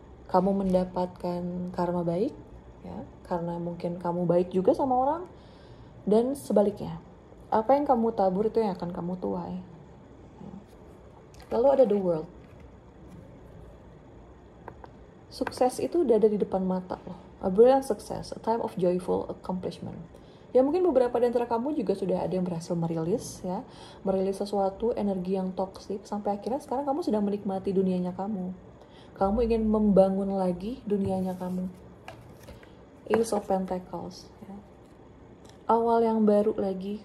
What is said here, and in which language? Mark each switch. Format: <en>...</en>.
<id>Kamu mendapatkan karma baik, ya, karena mungkin kamu baik juga sama orang. Dan sebaliknya, apa yang kamu tabur itu yang akan kamu tuai. Lalu ada the world. Sukses itu udah ada di depan mata loh.</id> <en>A brilliant success, a time of joyful accomplishment.</en> <id>Ya mungkin beberapa di antara kamu juga sudah ada yang berhasil merilis, ya, merilis sesuatu energi yang toksik sampai akhirnya sekarang kamu sedang menikmati dunianya kamu. Kamu ingin membangun lagi dunianya kamu. Ace of Pentacles. Ya. Awal yang baru lagi.</id>